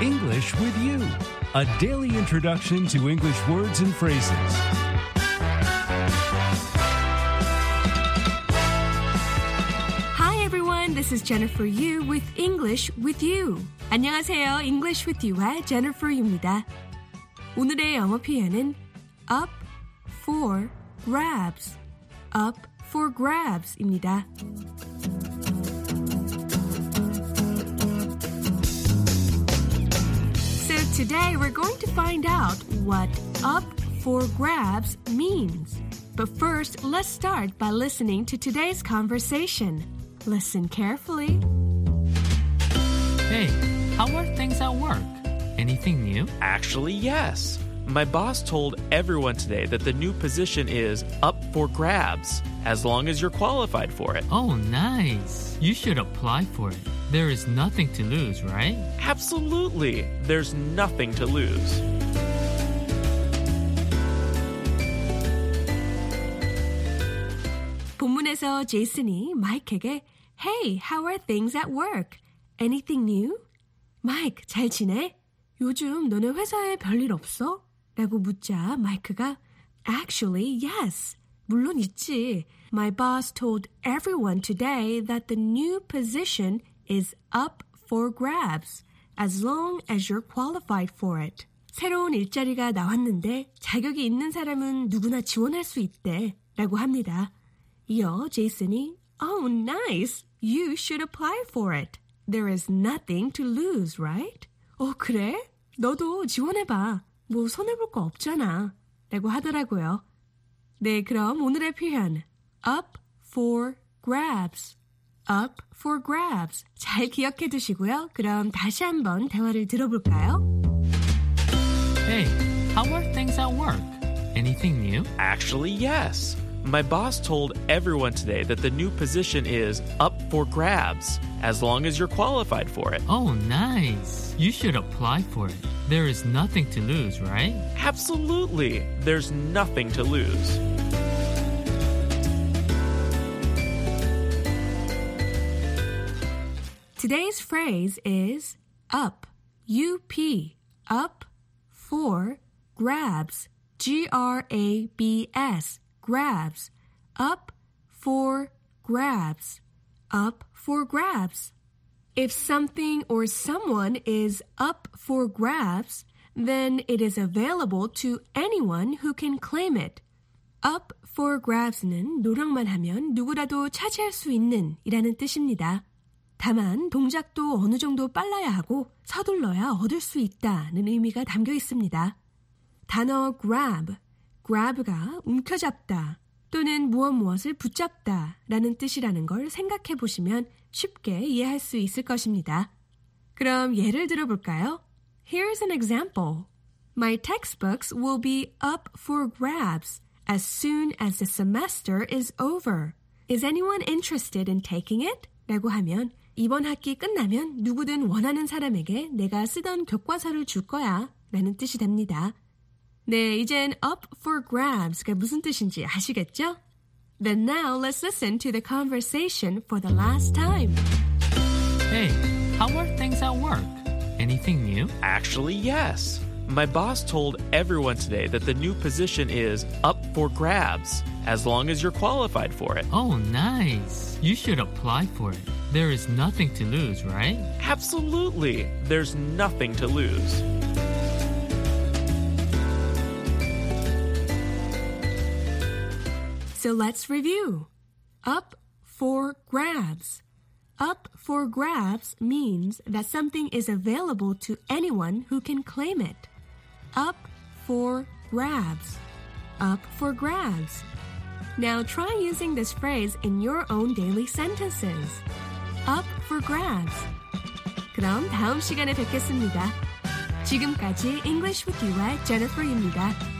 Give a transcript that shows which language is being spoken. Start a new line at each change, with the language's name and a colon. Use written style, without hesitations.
English: English with you, a daily introduction to English words and phrases. This is Jennifer Yu with English with You.
Korean: 안녕하세요. English with You와 Jennifer입니다. 오늘의 영어 표현은 up for grabs. Up for grabs입니다. 입니다.
English: So today we're going to find out what up for grabs means. But first, let's start by listening to today's conversation. Listen carefully. Hey, how are things at work? Anything new? Actually, yes. My boss told everyone today that the new position is up for grabs, as long as you're qualified for it. Oh, nice. You should apply for it. There is nothing to lose, right? Absolutely. There's nothing to lose.
Korean: Jason이 마이크에게
English: Hey, how are things at work? Anything new? Mike,
Korean: 잘 지내? 요즘 너네 회사에 별일 없어? 라고 묻자 마이크가
English: Actually, yes.
Korean: 물론 있지.
English: My boss told everyone today that the new position is up for grabs as long as you're qualified for it.
Korean: 새로운 일자리가 나왔는데 자격이 있는 사람은 누구나 지원할 수 있대 라고 합니다. 이어 제이슨이
English: Oh, nice. You should apply for it. There is nothing to lose, right?
Korean: 어, 그래? 너도 지원해봐. 뭐 손해볼 거 없잖아. 라고 하더라고요. 네, 그럼 오늘의 표현.
English: Up for grabs. Up for grabs.
Korean: 잘 기억해 두시고요. 그럼 다시 한번 대화를 들어볼까요?
English: Hey, how are things at work? Anything new? Actually, yes. My boss told everyone today that the new position is up for grabs, as long as you're qualified for it. Oh, nice. You should apply for it. There is nothing to lose, right? Absolutely. There's nothing to lose. Today's phrase is up, U-P, up for grabs, G-R-A-B-S. Grabs, up for grabs, up for grabs. If something or someone is up for grabs, then it is available to anyone who can claim it. Up for grabs는
Korean: 노력만 하면 누구라도 차지할 수 있는 이라는 뜻입니다. 다만 동작도 어느 정도 빨라야 하고 서둘러야 얻을 수 있다는 의미가 담겨 있습니다. 단어 grab. Grab가 움켜잡다 또는 무엇무엇을 붙잡다 라는 뜻이라는 걸 생각해 보시면 쉽게 이해할 수 있을 것입니다. 그럼 예를 들어볼까요?
English: Here's an example. My textbooks will be up for grabs as soon as the semester is over. Is anyone interested in taking it?
Korean: 라고 하면 이번 학기 끝나면 누구든 원하는 사람에게 내가 쓰던 교과서를 줄 거야 라는 뜻이 됩니다. 네, 이젠 up for grabs가 무슨 뜻인지 아시겠죠?
English: Then now let's listen to the conversation for the last time. Hey, how are things at work? Anything new? Actually, yes. My boss told everyone today that the new position is up for grabs, as long as you're qualified for it. Oh, nice. You should apply for it. There is nothing to lose, right? Absolutely. There's nothing to lose. So let's review. Up for grabs. Up for grabs means that something is available to anyone who can claim it. Up for grabs. Up for grabs. Now try using this phrase in your own daily sentences. Up for grabs.
Korean: 그럼 다음 시간에 뵙겠습니다. 지금까지 English with You의 Jennifer입니다.